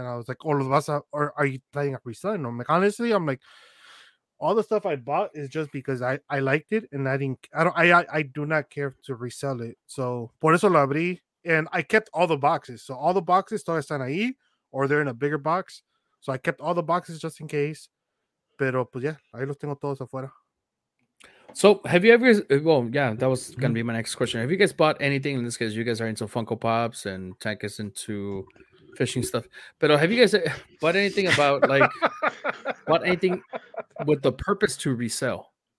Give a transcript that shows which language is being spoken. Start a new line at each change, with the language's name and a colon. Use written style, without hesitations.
English: And I was like, are you planning on reselling them? Like, honestly, I'm like, all the stuff I bought is just because I liked it, and I do not care to resell it. So
Spanish: por eso lo abrí,
English: and I kept all the boxes. So all the boxes
Spanish: todavía están ahí,
English: or they're in a bigger box. So I kept all the boxes just in case.
Spanish: Pero pues yeah, ahí los tengo todos afuera.
English: So, have you ever, that was going to be my next question. Have you guys bought anything? In this case, you guys are into Funko Pops and Tank is into fishing stuff. But have you guys bought anything about, like, bought anything with the purpose to resell?